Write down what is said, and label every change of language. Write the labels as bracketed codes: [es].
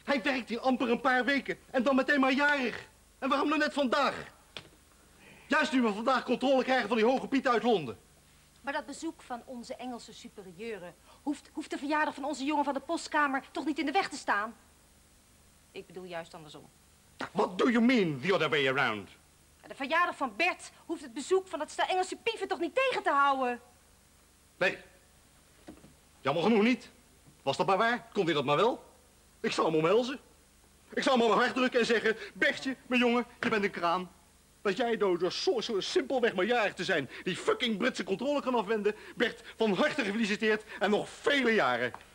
[nl] Hij werkt hier amper een paar weken. En dan meteen maar jarig. En waarom dan net vandaag? Juist nu we vandaag controle krijgen van die hoge Piet uit Londen. Maar dat bezoek van onze Engelse superieuren hoeft de verjaardag van onze jongen van de postkamer toch niet in de weg te staan? Ik bedoel juist andersom. [en] What do you mean, the other way around? [nl] De verjaardag van Bert hoeft het bezoek van dat stel Engelse pieven toch niet tegen te houden? Nee. Jammer genoeg niet. Was dat maar waar, kon hij dat maar wel. Ik zal hem omhelzen. Ik zal hem op mijn hart drukken en zeggen, Bertje, mijn jongen, je bent een kraan. Dat jij door zo simpelweg maar jarig te zijn, die fucking Britse controle kan afwenden, Bert, van harte gefeliciteerd en nog vele jaren.